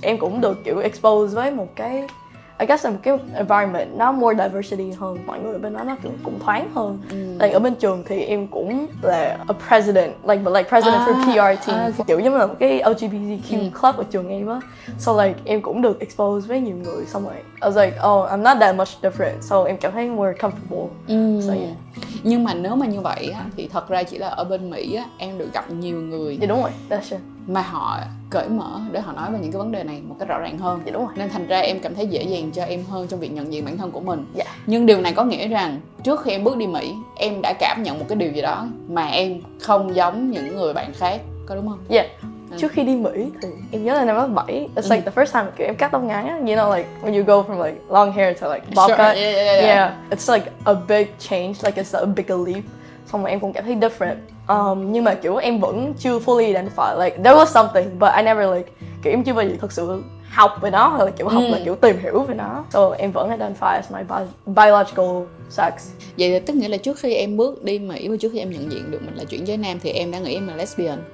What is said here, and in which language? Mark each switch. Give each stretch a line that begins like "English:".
Vietnamese: Em cũng được kiểu expose với một cái,
English: I guess
Vietnamese: là một cái environment nó more diversity hơn. Mọi người ở bên đó nó kiểu cũng thoáng hơn. Like ở bên trường thì em cũng là
English: a president, like but like president for PR team.
Vietnamese: Kiểu giống là một cái LGBTQ club ở trường em á. So like em cũng được expose với nhiều người. Xong rồi
English: I was like, oh, I'm not that much different.
Vietnamese: So em cảm thấy
English: more comfortable.
Vietnamese: Nhưng mà nếu mà như vậy á thì thật ra chỉ là ở bên Mỹ á em được gặp nhiều người. Dạ đúng rồi,
English: that's it.
Vietnamese: Mà họ cởi mở để họ nói về những cái vấn đề này một cách rõ ràng hơn. Dạ đúng rồi. Nên thành ra em cảm thấy dễ dàng cho em hơn trong việc nhận diện bản thân của mình. Dạ. Nhưng điều này có nghĩa rằng trước khi em bước đi Mỹ, em đã cảm nhận một cái điều gì đó mà em không giống những người bạn khác, có đúng không? Dạ. Trước khi đi Mỹ thì em nhớ là năm lớp 7,
English: it's like the first time
Vietnamese: kiểu em cắt tóc ngắn á,
English: you know like when you go from like long hair to like bob cut. Yeah, it's like a big change, like it's a bigger leap.
Vietnamese: Xong rồi em cũng cảm thấy different. Nhưng mà kiểu em vẫn chưa fully identify,
English: like there was something but I never like
Vietnamese: kiểu em chưa bao giờ thực sự học về nó, hoặc là kiểu học là kiểu tìm hiểu về nó.
English: So
Vietnamese: em vẫn
English: identify as my biological sex.
Vietnamese: Vậy là tức nghĩa là trước khi em bước đi Mỹ và trước khi em nhận diện được mình là chuyển giới nam thì em đã nghĩ em là lesbian.